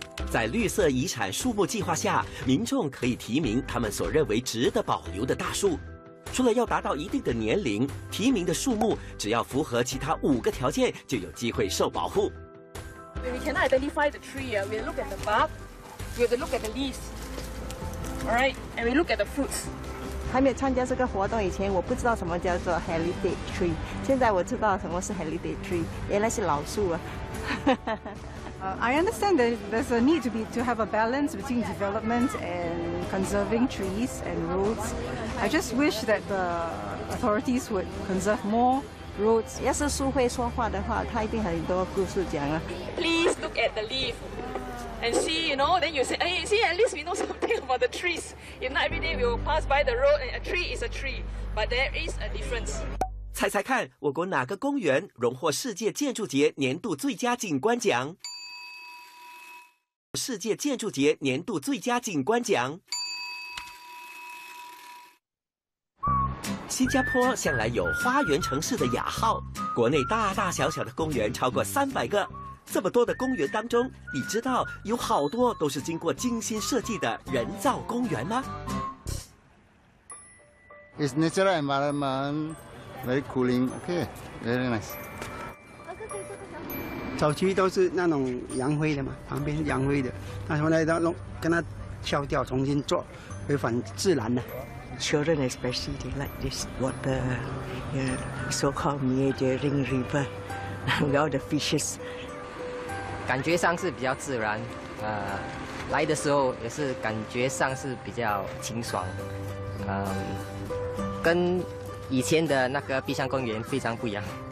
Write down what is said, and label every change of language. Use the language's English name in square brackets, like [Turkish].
[Chinese] 在绿色遗产树木计划下，民众可以提名他们所认为值得保留的大树。除了要达到一定的年龄，提名的树木只要符合其他5个条件，就有机会受保护。 [English] When we cannot identify the tree, we look at the bark, we have to look at the leaves, all right, and we look at the fruits. [Chinese] 还没有参加这个活动以前，我不知道什么叫做 heritage tree。现在我知道什么是 heritage tree， 原来是老树啊。 [English] I understand that there's a need to have a balance between development and conserving trees and roads. I just wish that the authorities would conserve more roads. [Chinese] 要是树会说话的话，它一定很多故事讲啊。 [English] Please look at the leaf and see, you know. Then you say, hey, see, at least we know something about the trees. If not, every day we will pass by the road and a tree is a tree, but there is a difference. [Chinese] 猜猜看，我国哪个公园荣获世界建筑节年度最佳景观奖？世界建筑节年度最佳景观奖。新加坡向来有花园城市的雅号，国内大大小小的公园超过300个。这么多的公园当中，你知道有好多都是经过精心设计的人造公园吗？ [English] It's natural environment. Very cooling, okay, very nice. [Chinese] 早期都是那种洋灰的嘛，旁边洋灰的，那后来到弄跟它敲掉，重新做，回返自然了。 [English] Children especially they like this water, yeah, so-called meandering river, and all the fishes. [Chinese] 感觉上是比较自然，来的时候也是感觉上是比较清爽，跟。以前的那个碧香公园非常不一样，